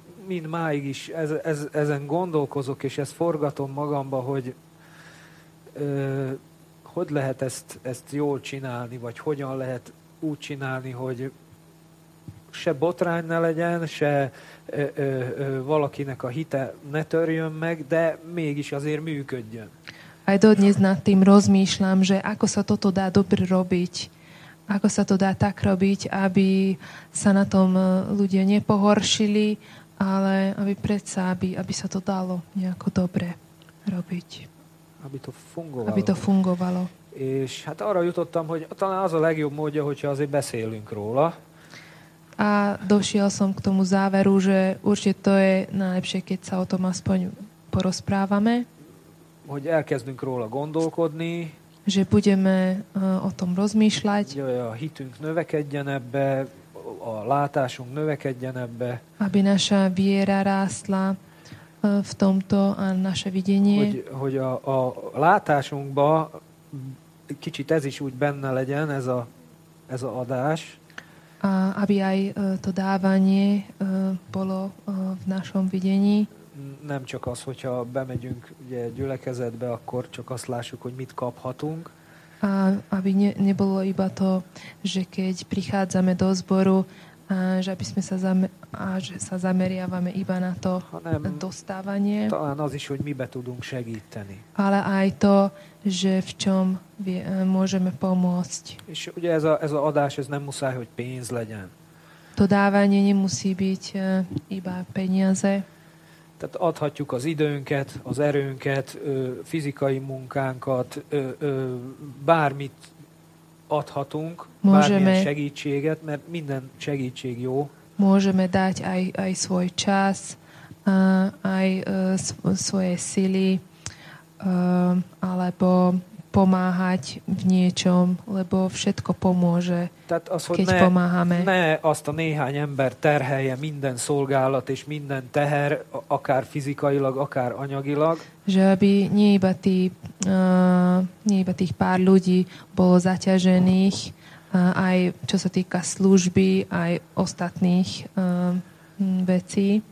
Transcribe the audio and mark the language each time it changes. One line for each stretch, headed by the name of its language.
Hungarian: mind máig is ezen gondolkozok, és ezt forgatom magamba, hogy hogy lehet ezt jól csinálni, vagy hogyan lehet úgy csinálni, hogy se botrány ne legyen, se valakinek a hite ne törjön meg, de mégis azért működjön.
Slovak: Aj dodnes nad tým rozmýšľam, že ako sa toto dá dobre robiť, ako sa to dá tak robiť, aby sa na tom ľudia nepohoršili, ale aby predsa, aby sa to dalo nejako dobre robiť. Aby to fungovalo. Aby to fungovalo.
Hungarian: És hát arra jutottam, hogy talán az a legjobb módja, hogyha azért beszélünk róla.
Slovak: A došiel som k tomu záveru, že určite to je najlepšie, keď sa o tom aspoň porozprávame.
Hungarian: Hogy elkezdünk róla gondolkodni.
Slovak: Že budeme o tom rozmýšľať.
Hungarian: Hogy a hitünk növekedjen ebbe, a látásunk növekedjen ebbe.
Slovak: Aby naša viera rástla v tomto a naše videnie.
Hungarian: Hogy a látásunkba kicsit ez is úgy benne legyen, ez a adás.
Slovak: A aby aj to dávanie bolo v našom videní.
Hungarian: Nem csak az, hogyha bemegyünk ugye gyülekezetbe, akkor csak azt lássuk, hogy mit kaphatunk.
Slovak: A aby nebolo iba to, že keď prichádzame do zboru, že aby sme sa zameriavame iba na to dostávanie.
Hungarian: Talán az is, hogy mibe tudunk segíteni.
Slovak: Ale aj to, že v čom môžeme pomôcť.
Hungarian: És ugye ez a adás, ez nem muszáj, hogy pénz legyen.
Slovak: To dávanie nemusí byť iba peniaze.
Hungarian: Tehát adhatjuk az időnket, az erőnket, fizikai munkánkat, bármit adhatunk, bármilyen segítséget, mert minden segítség jó.
Slovak: Môžeme dať aj svoj čas, aj svoje sily, alebo pomáhať v niečom, lebo všetko pomôže,
Hungarian: az,
Slovak: keď pomáhame.
Hungarian: Ne azt a néhány ember terhelje minden szolgálat és minden teher, akár fizikailag, akár anyagilag.
Slovak: Že aby nie iba tých pár ľudí bolo zaťažených, aj čo sa týka služby, aj ostatných vecí,